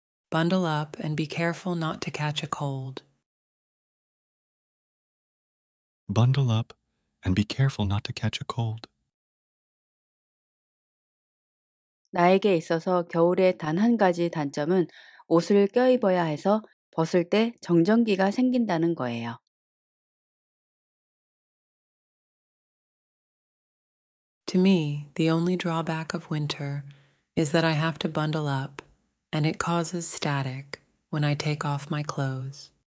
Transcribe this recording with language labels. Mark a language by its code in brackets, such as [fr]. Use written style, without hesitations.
[en] Bundle up and be careful not to catch a cold. Bundle up and be careful not to catch a cold. [ko] 나에게 있어서 겨울의 단 한 가지 단점은 옷을 껴입어야 해서 벗을 때 정전기가 생긴다는 거예요. [en] To me, the only drawback of winter is that I have to bundle up, and it causes static when I take off my clothes.